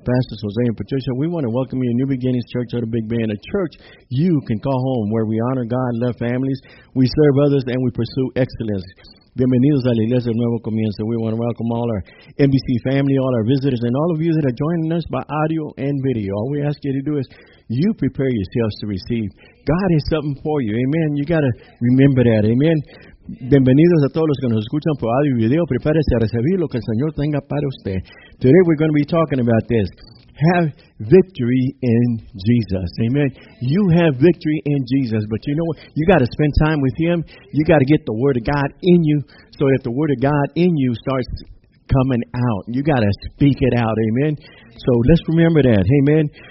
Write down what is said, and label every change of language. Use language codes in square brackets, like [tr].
[en] Pastors Jose and Patricia, we want to welcome you to New Beginnings Church out of Big Bend, a church you can call home, where we honor God, love families, we serve others, and we pursue excellence. [es] Bienvenidos a la Iglesia del Nuevo Comienzo. [en] We want to welcome all our NBC family, all our visitors, and all of you that are joining us by audio and video. All we ask you to do is you prepare yourselves to receive. God has something for you. Amen. You got to remember that. Amen. [es] Bienvenidos a todos los que nos escuchan por audio y video. Prepárese a recibir lo que el Señor tenga para usted. [en] Today we're going to be talking about this. Have victory in Jesus. Amen. You have victory in Jesus. But you know what? You got to spend time with Him. You got to get the Word of God in you so that the Word of God in you starts coming out. You got to speak it out. Amen. So let's remember that. Amen.